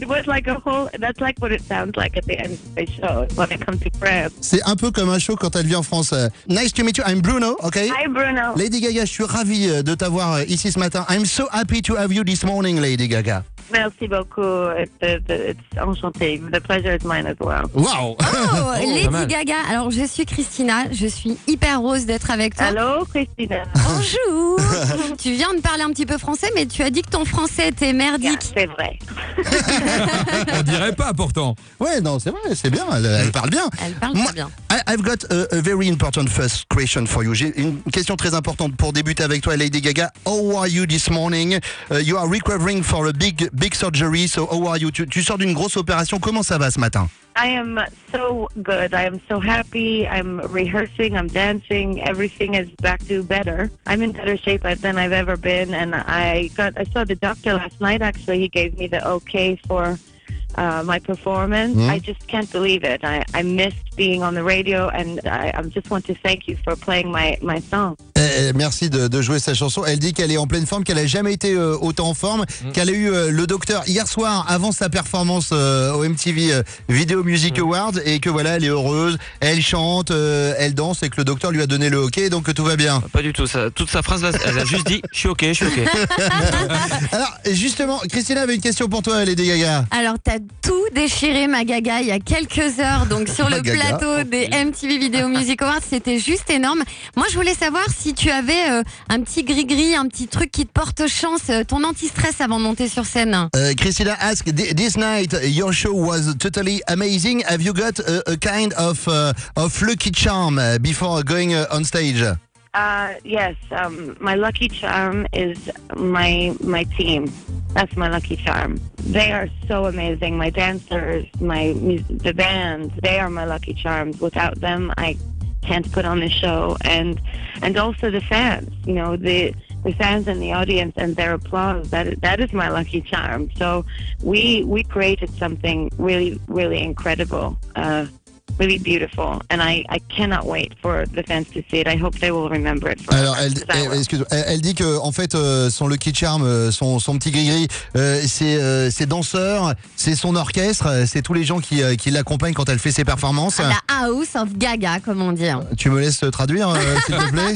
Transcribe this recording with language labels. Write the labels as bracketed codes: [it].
[en] Wow, it was like a whole, that's like what it sounds like at the end of the show when I come to France. [fr] C'est un peu comme un show quand elle vient en France. [en] Nice to meet you, I'm Bruno, okay? Hi Bruno. [fr] Lady Gaga, je suis ravi de t'avoir ici ce matin. [en] I'm so happy to have you this morning, Lady Gaga. [fr] Merci beaucoup, [en] it's enchanté, the pleasure is mine as well. Wow. [fr] Oh, Lady Gaga, alors je suis Christina, je suis hyper heureuse d'être avec toi. Allô Christina. Bonjour. Tu viens de parler un petit peu français, mais tu as dit que ton français était merdique. [en] Yeah, [fr] c'est vrai. On dirait pas pourtant. Ouais, non, c'est vrai, c'est bien, elle parle bien. Elle parle très bien. [en] I've got a very important first question for you. [fr] J'ai une question très importante pour débuter avec toi, Lady Gaga. [en] How are you this morning? You are recovering for a big surgery, so how are you? Tu sors d'une grosse opération, comment ça va ce matin? I am so good. I am so happy. I'm rehearsing, I'm dancing. Everything is back to better. I'm in better shape than I've ever been. And I saw the doctor last night, actually. He gave me the okay for my performance. Mm-hmm. I just can't believe it. I missed being on the radio, and I just want to thank you for playing my song. [fr] Merci de jouer sa chanson. Elle dit qu'elle est en pleine forme, qu'elle n'a jamais été autant en forme, qu'elle a eu le docteur hier soir avant sa performance au MTV Video Music Awards, et que voilà, elle est heureuse, elle chante, elle danse, et que le docteur lui a donné le ok, donc tout va bien. Pas du tout, ça, toute sa phrase, elle a juste dit « je suis ok ». Alors justement, Christina avait une question pour toi, Lady Gaga. Alors t'as tout déchiré ma Gaga il y a quelques heures, donc sur le plateau des MTV Video Music Awards, c'était juste énorme. Moi je voulais savoir si tu avais un petit gris-gris, un petit truc qui te porte chance, ton anti-stress avant de monter sur scène. [en] Christina ask, this night your show was totally amazing. Have you got a kind of lucky charm before going on stage? Yes, my lucky charm is my team. That's my lucky charm. They are so amazing. My dancers, the band, they are my lucky charms. Without them, I can't put on the show, and also the fans, you know, the fans and the audience and their applause, that is my lucky charm. So we created something really, really incredible, really beautiful, and I cannot wait for the fans to see it. I hope they will remember it. [fr] Alors, elle dit que en fait son lucky charm, son petit gris-gris, c'est ses danseurs, c'est son orchestre, c'est tous les gens qui l'accompagnent quand elle fait ses performances. La house of Gaga, comment dire. Tu me laisses traduire, s'il te plaît.